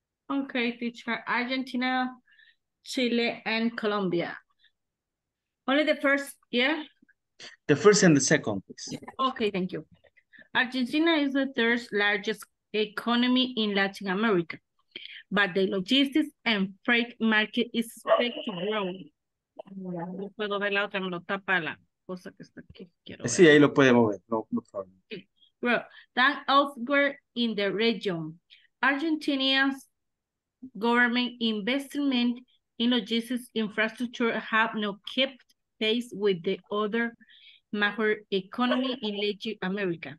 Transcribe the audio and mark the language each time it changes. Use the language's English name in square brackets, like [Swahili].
[English] Okay, teacher. Argentina, Chile, and Colombia. Only the first, yeah? The first and the second, please. Okay, thank you. Argentina is the third largest economy in Latin America, but the logistics and freight market is expected to grow. [Spanish] No puedo ver la otra, me lo tapa la cosa que está aquí. Quiero sí, ver. Ahí lo puede mover. No, [English] no problem. Well, that elsewhere in the region, Argentina's government investment in logistics infrastructure have now kept pace with the other major economy in Latin America.